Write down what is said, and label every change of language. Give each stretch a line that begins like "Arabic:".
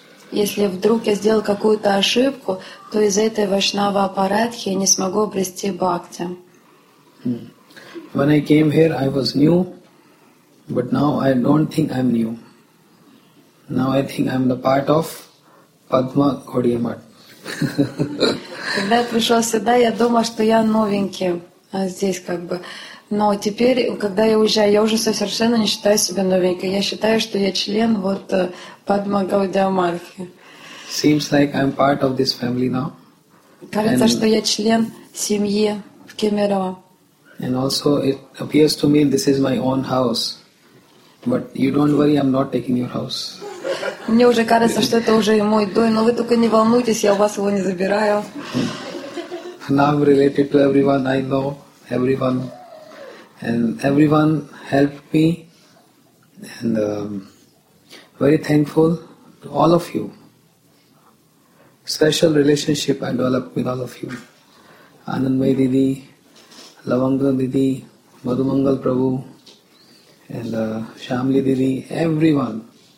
Russian: Если вдруг я сделал какую-то ошибку, то из-за этой вайшнава апарадхи я не смогу обрести бхакти.
English: When I came here, I was new, but now I don't think I'm new. Now I think I'm the part of Padma Gaudiya Math.
Russian: Когда я пришел сюда, я думал, что я новенький здесь как бы. Но теперь, когда я уезжаю, я уже совершенно не считаю себя новенькой. Я считаю, что я член вот Padma Gaudiya Math.
English: Seems like I'm part of this family now.
Russian: Кажется, что я член семьи в Кемерово.
English: And also it appears to me this is my own house. But you don't worry, I'm not taking your house.
Russian: Мне уже кажется, что это уже мой дом, но вы только не волнуйтесь, я у вас его не забираю.
English: Now related to everyone, I know everyone. And everyone helped me, and very thankful to all of you. Special relationship I developed with all of you. Anandmay Didi, Lavanga Didi, Madhumangal Prabhu, and Shamli Didi, everyone.